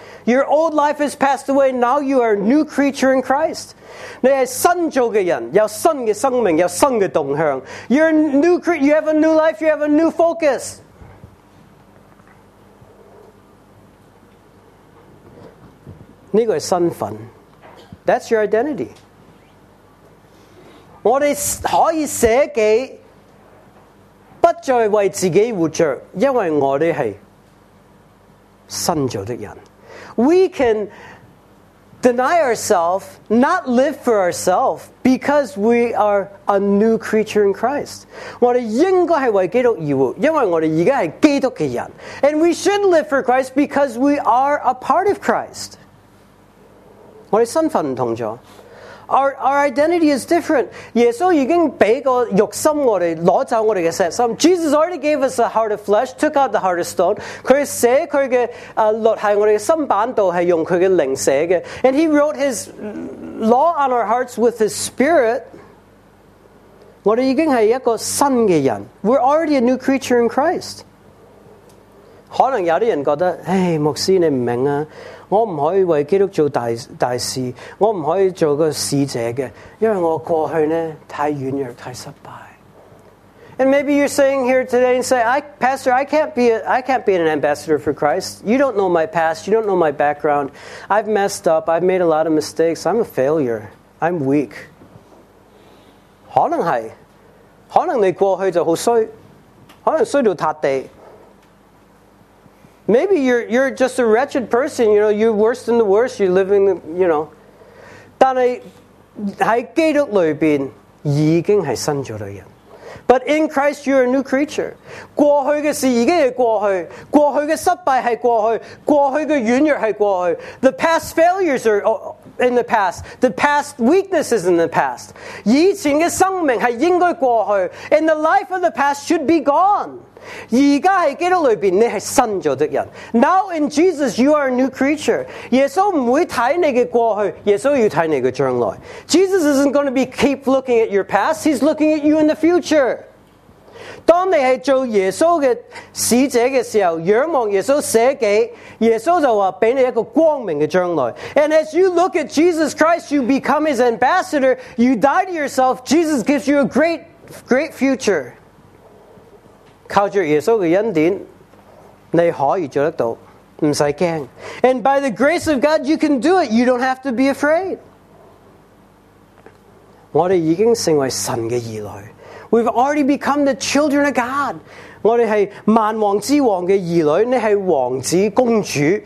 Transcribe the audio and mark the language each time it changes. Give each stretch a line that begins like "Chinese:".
English: Your old life has passed away, now you are a new creature in Christ.
Chinese: 你是新造的人，有新的生命，有新的动向。
English: You're a new creature, you have a new life, you have a new focus.
Chinese: 这个是身份，
English: That's your identity.
Chinese: 我们可以舍己，不再为自己活着，因为我们是新造的人。
English: We can deny ourselves, not live for ourselves, because we are a new creature in Christ.
Chinese: 我们应该是为基督而活，因为我们现在是基督的人。
English: And we should live for Christ because we are a part of Christ.
Chinese: 我们身份不同了，
English: our identity is different.
Chinese: 耶稣已经给个肉心我们，拿走我们的石心。
English: Jesus already gave us a heart of flesh, took out the heart of stone.
Chinese: 他写他的律是我们的心板道，是用他的灵写的。
English: And he wrote his law on our hearts with his spirit.
Chinese: 我们已经是一个新的人，
English: we're already a new creature in Christ.
Chinese: 可能有些人觉得，哎，牧师你不明白啊，我不可以为基督做 大事，我不可以做个使者的，因为我过去呢太软弱，太失败。
English: And maybe you're sitting here today and say, Pastor, I can't be an ambassador for Christ. You don't know my past, you don't know my background. I've messed up, I've made a lot of mistakes, I'm a failure, I'm weak.
Chinese: 可能是，可能你过去就很衰，可能衰到塌地。
English: Maybe you're just a wretched person, you know, you're worse than the worst, you're living, you know.
Chinese: 但是在基督里面已经是新造的人。
English: But in Christ you're a new creature.
Chinese: 过去的事已经是过去，过去的失败是过去，过去的软弱是过去。
English: The past failures are in the past. The past weakness is in the past.
Chinese: 以前的生命是应该过去，
English: and the life of the past should be gone.
Chinese: 现在在基督里面你是新造的人。
English: Now in Jesus you are a new creature.
Chinese: 耶稣不会看你的过去，耶稣要看你的将来。
English: Jesus isn't going to be keep looking at your past, he's looking at you in the future.
Chinese: 当你是做耶稣的使者的时候，仰望耶稣舍己，耶稣就说给你一个光明的将来。
English: And as you look at Jesus Christ, you become his ambassador, you die to yourself, Jesus gives you a great, great future.
Chinese: 靠着耶稣的恩典，你可以做得到，不用怕。
English: And by the grace of God, you can do it. You don't have to be afraid.
Chinese: 我们已经成为神的儿女。
English: We've already become the children of God.
Chinese: 我们是万王之王的儿女，你是王子公主。